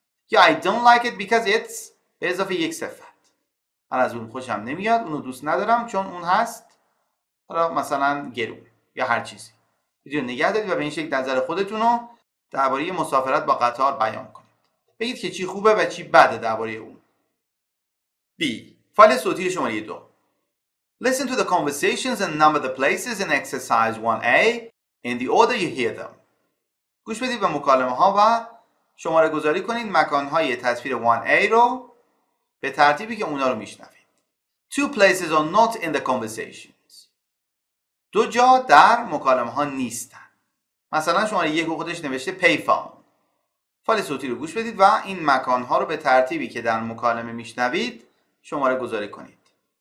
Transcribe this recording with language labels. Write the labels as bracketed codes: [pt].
[fa] یا [en] I don't like it because it's [fa] به اضافه یک صفت، من از اون خوشم نمیاد، اونو دوست ندارم چون اون هست مثلا گرونه یا هر چیزی. ویدیو نگه دارید و به این شکل نظر خودتونو درباره مسافرت با قطار بیان کنید. بگید که چی خوبه و چی بده درباره اون. B. فایل صوتی شماره 2. [en] Listen to the conversations and number the places in exercise 1A in the order you hear them. [fa] گوش بدید به مکالمه ها و شماره گذاری کنید مکان های تصویر 1A رو به ترتیبی که اونا رو میشنوید. [en] Two places are not in the conversation. [fa] دو جا در مکالمه ها نیستن. مثلا شماره یک خودش نوشته پی فون. فایل صوتی رو گوش بدید و این مکان ها رو به ترتیبی که در مکالمه میشنوید شماره گذاری کنید.